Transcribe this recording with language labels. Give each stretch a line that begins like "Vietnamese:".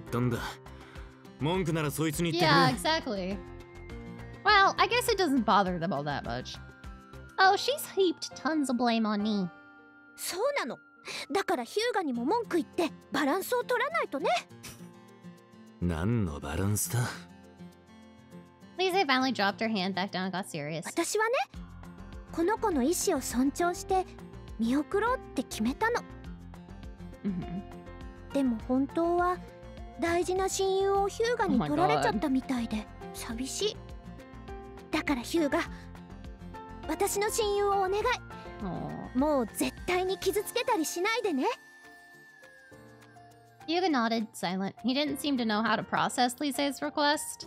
Japanese: そいつが強引についてくるって言ったんだ。文句ならそいつに言ってる。
English: Yeah, exactly. Well, I guess it doesn't bother them all that much. Oh, she's heaped tons of blame on me.
Japanese: そうなの。だからヒューガにも文句言ってバランスを取らないとね。何のバランスだ?
English: Lisei finally dropped her hand back down and got serious.
Japanese: 私はね、この子の意思を尊重して見送ろうって決めたの。でも本当は大事な親友をヒューガに取られちゃったみたいで寂しい。だからヒューガ、私の親友をお願い。もう絶対に傷つけたりしないでね。
English: Hyuga nodded, silent. He didn't seem to know how to process Lisei's request.